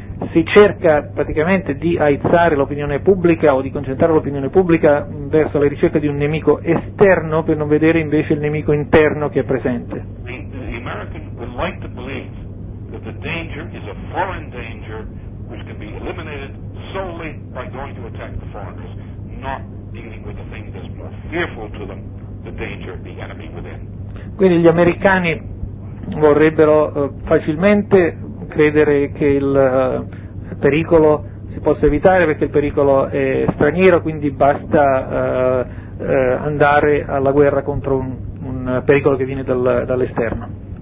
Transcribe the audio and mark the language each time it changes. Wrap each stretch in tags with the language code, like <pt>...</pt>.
<it>Si cerca praticamente di aizzare l'opinione pubblica o di concentrare l'opinione pubblica verso la ricerca di un nemico esterno per non vedere invece il nemico interno che è presente.</it> <en>The American would like to believe that the danger is a foreign danger which can be eliminated solely by going to attack the foreigners, not dealing with the thing that's more fearful to them, the danger, the enemy within.</en> <it>Quindi gli americani vorrebbero facilmente credere che il pericolo si possa evitare perché il pericolo è straniero, quindi basta andare alla guerra contro un pericolo che viene dall'esterno.</it>